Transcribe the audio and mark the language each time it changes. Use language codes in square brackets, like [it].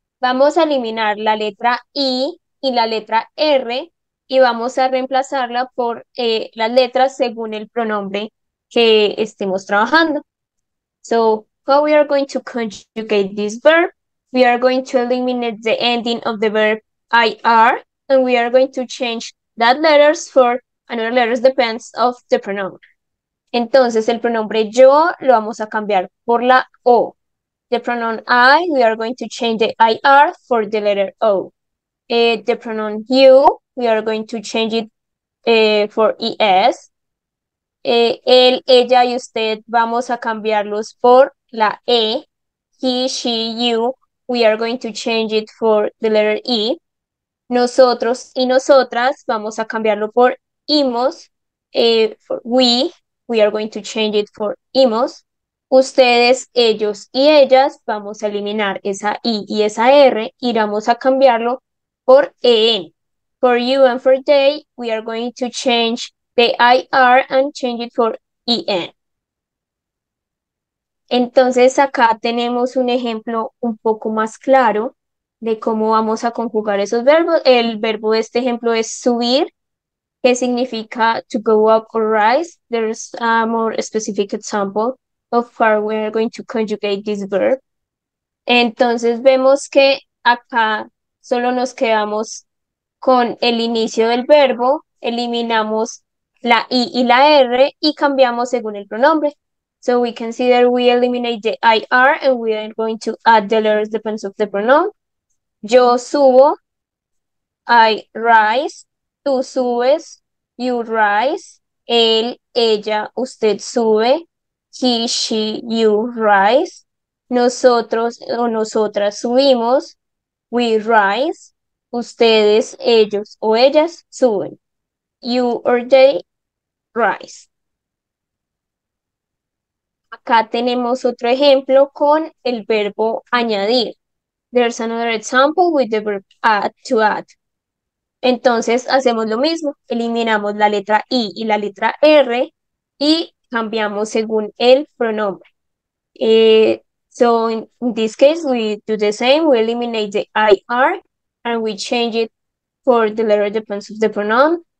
[es] Vamos a eliminar la letra I y la letra R y vamos a reemplazarla por las letras según el pronombre que estemos trabajando. [en] So, how we are going to conjugate this verb? We are going to eliminate the ending of the verb IR, and we are going to change that letters for another letters depends of the pronoun. [es] Entonces, el pronombre yo lo vamos a cambiar por la O. [en] The pronoun I, we are going to change the IR for the letter O. The pronoun you, we are going to change it for ES. [es] Él, ella y usted, vamos a cambiarlos por la E. [en] He, she, you, we are going to change it for the letter E. [es] Nosotros y nosotras vamos a cambiarlo por imos. [en] For we are going to change it for imos. [es] Ustedes, ellos y ellas, vamos a eliminar esa I y esa R y vamos a cambiarlo por EN. [en] For you and for they, we are going to change the IR and change it for EN. [es] Entonces, acá tenemos un ejemplo un poco más claro de cómo vamos a conjugar esos verbos. El verbo de este ejemplo es subir, que significa [en] to go up or rise. There's a more specific example of how we are going to conjugate this verb. [es] Entonces vemos que acá solo nos quedamos con el inicio del verbo, eliminamos la I y la R y cambiamos según el pronombre. [en] So we can see that we eliminate the IR and we are going to add the letters depends of the pronoun. [es] Yo subo, [en] I rise, [es] tú subes, [en] you rise, [es] él, ella, usted sube, [en] he, she, you rise, [es] nosotros o nosotras subimos, [en] we rise, [es] ustedes, ellos o ellas suben, [en] you or they rise. [es] Acá tenemos otro ejemplo con el verbo añadir. [en] There's another example with the verb add, to add. [es] Entonces hacemos lo mismo, eliminamos la letra I y la letra R y cambiamos según el pronombre. [en] So in this case, we do the same. We eliminate the IR and we change it for the letter depends of the pronoun.